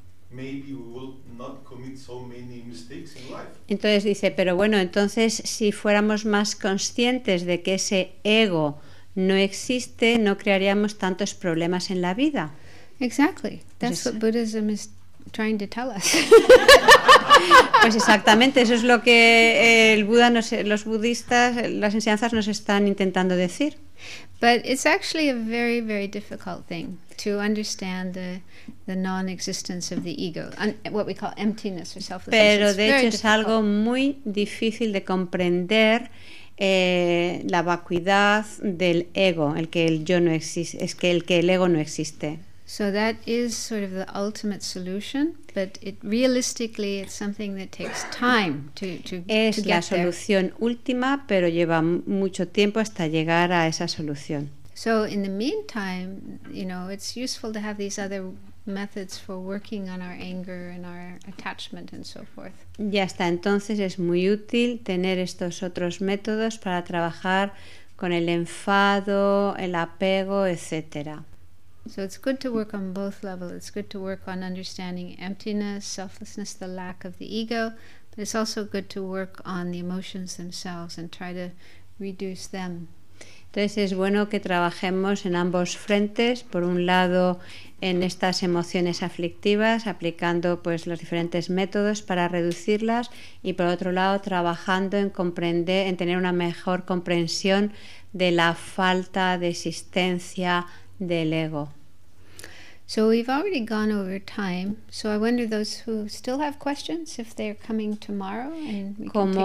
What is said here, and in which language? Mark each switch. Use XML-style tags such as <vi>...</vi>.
<en>Maybe we will not commit so many mistakes in life.</en> <es>Entonces dice, pero bueno, entonces si fuéramos más conscientes de que ese ego no existe, no crearíamos tantos problemas en la vida.</es> <en>Exactly. That's what Buddhism is trying to tell us.</en> <es>Pues exactamente, eso es lo que el Buda nos, los budistas, las enseñanzas nos están intentando decir.</es> <en>But it's actually a very, very difficult thing to understand the non-existence of the ego, what we call emptiness or selflessness.</en> <es>Pero de hecho es algo muy difícil de comprender la vacuidad del ego, el que el yo no existe, es que el que el ego no existe.</es> <en>So that is sort of the ultimate solution, but it realistically it's something that takes time to get there.</en> <es>Es la solución última, pero lleva mucho tiempo hasta llegar a esa solución.</es> <en>So in the meantime, you know, it's useful to have these other methods for working on our anger and our attachment and so forth.</en> <es>Ya está, entonces es muy útil tener estos otros métodos para trabajar con el enfado, el apego, etcétera.</es> <en>So it's good to work on both levels. It's good to work on understanding emptiness, selflessness, the lack of the ego, but it's also good to work on the emotions themselves and try to reduce them.</en> <es>Entonces es bueno que trabajemos en ambos frentes, por un lado en estas emociones aflictivas, aplicando pues los diferentes métodos para reducirlas, y por otro lado trabajando en comprender, en tener una mejor comprensión de la falta de existencia del ego.</es> <en>So we've already gone over time. So I wonder those who still have questions if they're coming tomorrow and we can take care of the questions.</en>